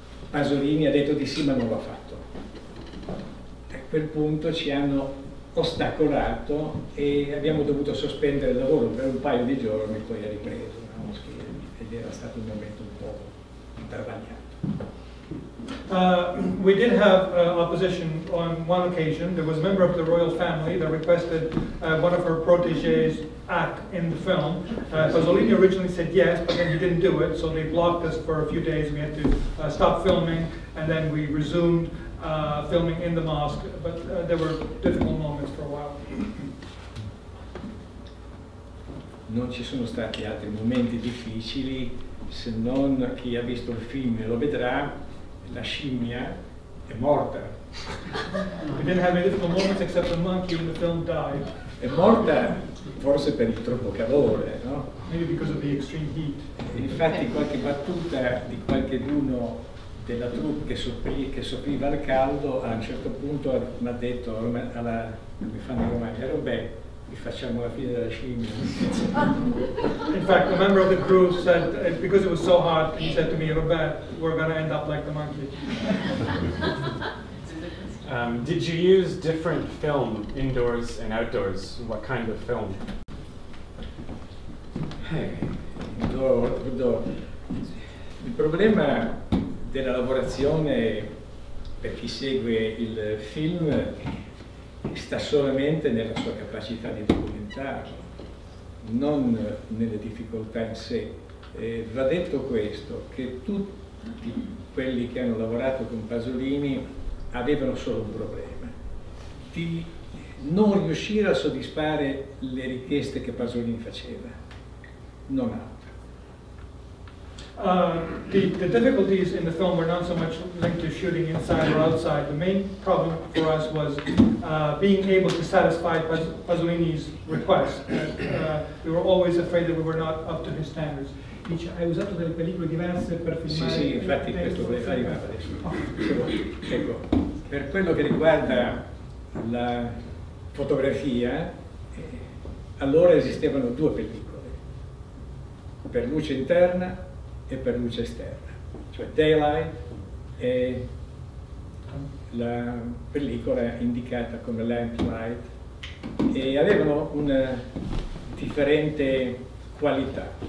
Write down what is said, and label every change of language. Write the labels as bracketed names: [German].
[Italian] Pasolini ha detto di sì, ma non l'ha fatto. A quel punto ci hanno ostacolato e abbiamo dovuto sospendere il lavoro per un paio di giorni, poi ha ripreso la moschea ed era stato un momento un po' travagliato. [English] We did have opposition on one occasion. There was a member of the royal family that requested one of her protégés act in the film. Pasolini originally said yes, but then he didn't do it, so they blocked us for a few days. We had to stop filming, and then we resumed filming in the mosque, but there were difficult moments for a while. [Italian] Non ci sono stati altri momenti difficili, se non chi ha visto il film lo vedrà. La scimmia è morta. [English] We didn't have any difficult moments except the monkey in the film died. [Italian] È morta forse per il troppo calore, no? [English] Maybe because of the extreme heat. [Italian] E infatti qualche battuta di qualcheduno della troupe che soffriva al caldo a un certo punto mi ha detto, alla, mi fanno i romani, facciamo la fine della scimmia. [English] In fact, a member of the crew said, because it was so hard, he said to me, Roberto, we're going to end up like the monkey. Did you use different film, indoors and outdoors? What kind of film? [Italian] Il problema della lavorazione per chi segue il film sta solamente nella sua capacità di documentarlo, non nelle difficoltà in sé. Va detto questo, che tutti quelli che hanno lavorato con Pasolini avevano solo un problema, di non riuscire a soddisfare le richieste che Pasolini faceva, non altro. [English] The difficulties in the film were not so much linked to shooting inside or outside. The main problem for us was being able to satisfy Pasolini's requests. We were always afraid that we were not up to his standards. [Italian] Dice, hai usato delle pellicole diverse per filmare... Sì, sì, infatti questo volevo fare adesso. Oh. Ecco, per quello che riguarda la fotografia, allora esistevano due pellicole. Per luce interna e per luce esterna, cioè daylight e la pellicola indicata come lamplight, e avevano una differente qualità.